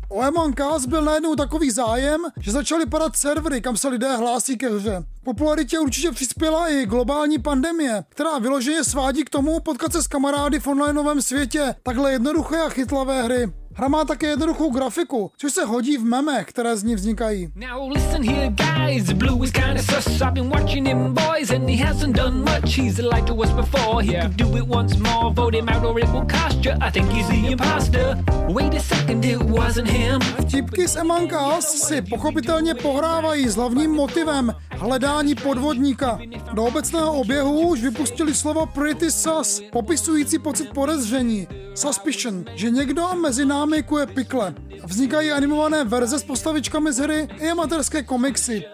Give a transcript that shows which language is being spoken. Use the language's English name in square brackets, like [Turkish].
[Czech] O Among Us byl najednou takový zájem, že začaly padat servery, kam se lidé hlásí ke hře. Popularitě určitě přispěla i globální pandemie, která vyloženě svádí k tomu potkat se s kamarády v onlineovém světě takhle jednoduché a chytlavé hry. Hra má také jednoduchou grafiku, což se hodí v memech, které z ní vznikají. [English] Now listen here guys, Blue is kinda sus, I've been watching him boys and he hasn't done much, he's lied to us before, he could do it once more, vote him out or it will cost you, I think he's the imposter, wait a second, it wasn't him. [Czech] Vtipky z Among Us si pochopitelně pohrávají s hlavním motivem hledání podvodníka. Do obecného oběhu už vypustili slovo [English] pretty sus, [Czech] popisující pocit podezření, suspicion, že někdo mezi námi je pikle. Vznikají animované verze s postavičkami z hry i amatérské komiksy.